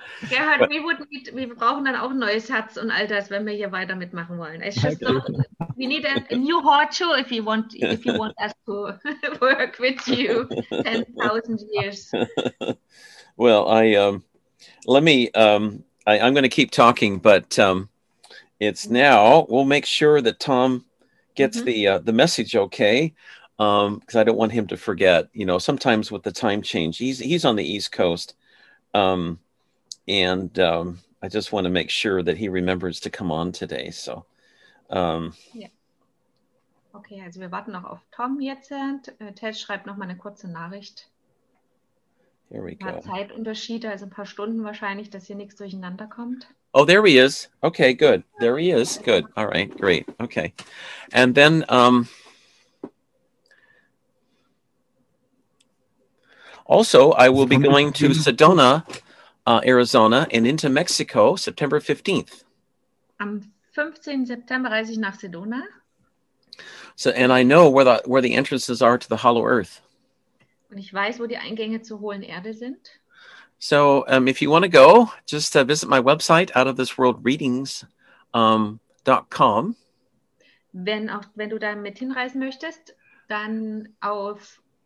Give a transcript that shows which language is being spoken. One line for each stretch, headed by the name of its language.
German: Gerhard, wir brauchen dann auch ein neues Herz und all das, wenn wir hier weiter mitmachen wollen.
English: It's just so, we need a new heart too, if you want us to work with you 10,000 years. Well, I'm going to keep talking, but it's now. We'll make sure that Tom gets the message okay, because I don't want him to forget. You know, sometimes with the time change, he's on the East Coast. And I just want to make sure that he remembers to come on today. So, yeah.
German: Okay, also wir warten noch auf Tom jetzt. Ted schreibt noch mal eine kurze Nachricht.
English: Here we go.
German: Zeitunterschiede, also ein paar Stunden wahrscheinlich, dass hier nichts durcheinander kommt.
English: Oh, there he is. Okay, good. There he is. Good. All right, great. Okay. And then, also, I will be going to Sedona, Arizona, and into Mexico, September 15th.
German: Am 15. September reise ich nach Sedona.
English: So, and I know where the entrances are to the Hollow Earth.
German: Und ich weiß, wo die Eingänge zur hohlen Erde sind.
English: So, if you want to go, just visit my website, outofthisworldreadings.com.
German: Wenn du da mit hinreisen möchtest, dann auf